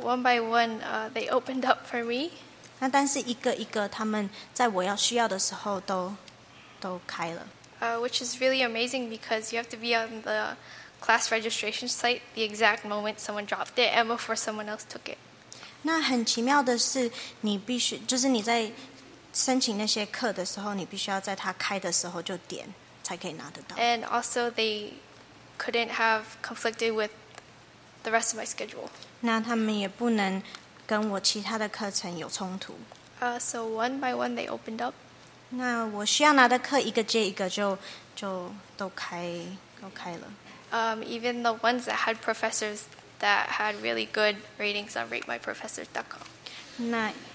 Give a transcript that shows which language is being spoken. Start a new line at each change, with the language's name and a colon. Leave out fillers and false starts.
English: one by one, they opened up for me.
Chinese: 那但是一个一个，他们在我要需要的时候都开了。
English: Which is really amazing because you have to be on the class registration site the exact moment someone dropped it and before someone else took it.
Chinese: 那很奇妙的是你必须就是你在申请那些课的时候你必须要在它开的时候就点才可以拿得到。
English: And also they couldn't have conflicted with the rest of my schedule.
Chinese: 那他们也不能跟我其他的课程有冲突。
English: So one by one they opened up.
Chinese: 那我需要拿的课一个接一个就都开了。
English: Even the ones that had professors that had really good ratings on ratemyprofessors.com.